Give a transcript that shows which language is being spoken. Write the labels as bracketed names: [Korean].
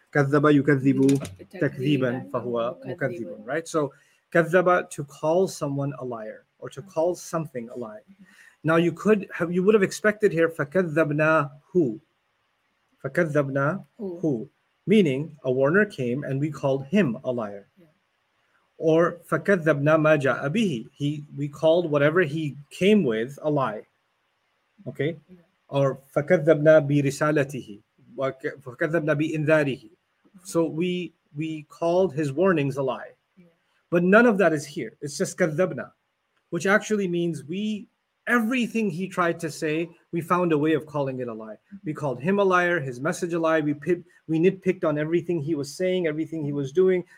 [Arabic] Kadhaba yukadhibu takdiban fahuwa mukadhibun. [English] Right. So kadhaba, to call someone a liar or to call something a lie. Now you could have, you would have expected here [Arabic] fakadhabna hu. Fakadhabna hu. [English] Meaning, a warner came and we called him a liar. Yeah. [Arabic] Or, فَكَذَّبْنَا مَا جَاءَ بِهِ. [English] We called whatever he came with a lie. Okay? Yeah. [Arabic] Or, فَكَذَّبْنَا بِرِسَالَتِهِ. فَكَذَّبْنَا بِإِنذَارِهِ. [English] So we called his warnings a lie. Yeah. But none of that is here. It's just [Arabic] كَذَّبْنَا. [English] Which actually means everything he tried to say, we found a way of calling it a lie. We called him a liar, his message a lie. We nitpicked on everything he was saying, everything he was doing.